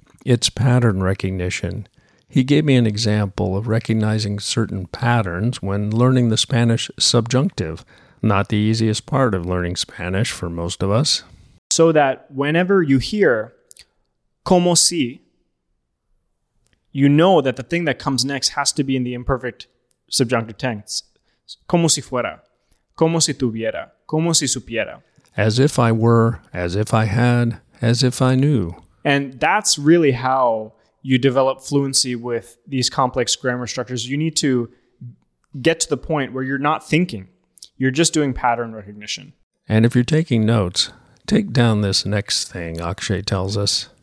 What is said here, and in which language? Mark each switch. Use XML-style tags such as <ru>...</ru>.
<en>It's pattern recognition. He gave me an example of recognizing certain patterns when learning the Spanish subjunctive. Not the easiest part of learning Spanish for most of us. So that whenever you hear como si, you know that the thing that comes next has to be in the imperfect subjunctive tense.</en> <es>Como si fuera, como si tuviera, como si supiera.</es> <en>As if I were, as if I had, as if I knew. And that's really how you develop fluency with these complex grammar structures. You need to get to the point where you're not thinking. You're just doing pattern recognition. And if you're taking notes, take down this next thing, Akshay tells us.</en>